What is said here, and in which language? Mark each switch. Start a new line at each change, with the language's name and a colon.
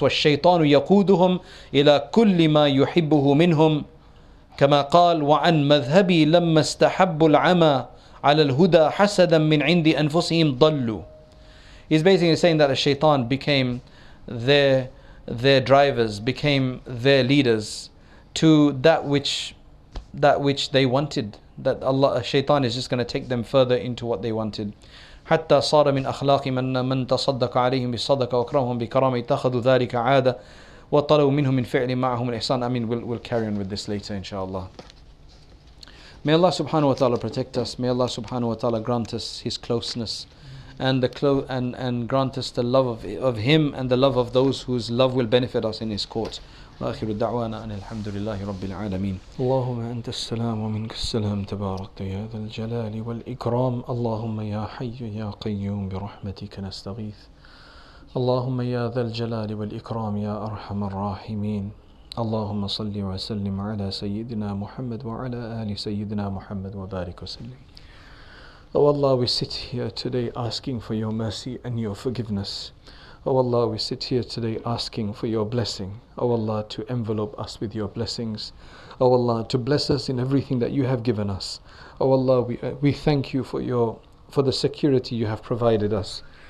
Arabic: وَالشَّيْطَانُ يَقُودُهُمْ إِلَىٰ كُلِّ مَا يُحِبُّهُ مِنْهُمْ كَمَا قَالْ وَعَنْ مَذْهَبِي لَمَّا اسْتَحَبُّ الْعَمَى عَلَى الْهُدَى حَسَدًا مِنْ عِنْدِ أَنْفُسِهِمْ ضَلُّوا.
English: He's basically saying that the shaitan became their drivers, became their leaders to that which they wanted. That Allah, shaitan is just going to take them further into what they wanted.
Arabic: حتى صار من أخلاق من تصدق عليهم بالصدقة وكرمهم بكرامة اتخذوا ذلك عادة وطلبوا منهم من فعل معهم الإحسان.
English: I mean, we'll carry on with this later, inshallah. May Allah subhanahu wa ta'ala protect us. May Allah subhanahu wa ta'ala grant us His closeness and grant us the love of Him and the love of those whose love will benefit us in His court.
Arabic: وآخر الدعوانا أن الحمد لله رب العالمين. اللهم أنت السلام ومنك السلام تبارك يا ذا الجلال والإكرام. اللهم يا حي يا قيوم برحمتك نستغيث. اللهم يا ذا الجلال والإكرام يا أرحم الراحمين. اللهم صل وسلم على سيدنا محمد وعلى آل سيدنا محمد وبارك وسلم.
English: Oh Allah, we sit here today asking for your mercy and your forgiveness. Oh Allah, we sit here today asking for your blessing. Oh Allah, to envelop us with your blessings. Oh Allah, to bless us in everything that you have given us. Oh Allah, we thank you for the security you have provided us.